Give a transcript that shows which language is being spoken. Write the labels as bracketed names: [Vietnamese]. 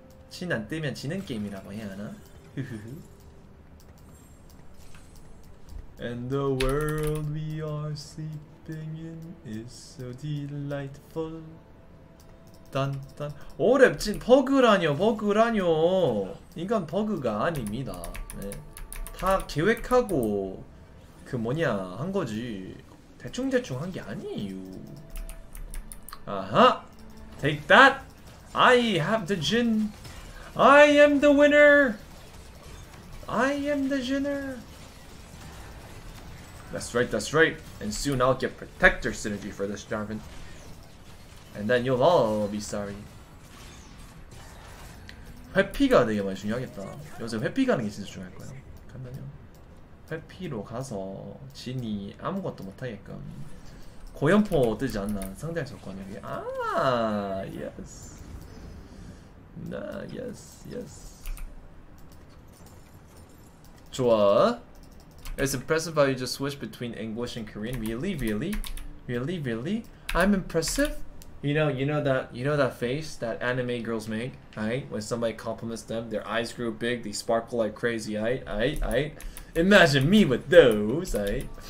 [Korean] 진 안 뜨면 지는 게임이라고 해야 하나? [English] And the world we are sleeping in is so delightful. [Korean] 단단. 오 랩진 버그라뇨 버그라뇨. 이건 버그가 아닙니다. 네. 다 계획하고 그 뭐냐 한 거지. 대충대충 한 게 아니에요. [English] 아하! Take that! I have the gin! I am the winner! I am the ginner! That's right, that's right! And soon I'll get protector synergy for this, Jarvan. And then you'll all be sorry. [Korean] 회피가 되게 많이 중요하겠다. 요새 회피 가는 게 진짜 중요할 거예요. 간단히요. 회피로 가서 진이 아무것도 못하게끔 고연포 뜨지 않나 상대할 조건이 아 예스 나 예스 예스 좋아. [English] It's impressive how you just switch between English and Korean. Really, really, really, really. I'm impressive. You know that face that anime girls make, right? When somebody compliments them, their eyes grow big, they sparkle like crazy, right? Right? Imagine me with those, right?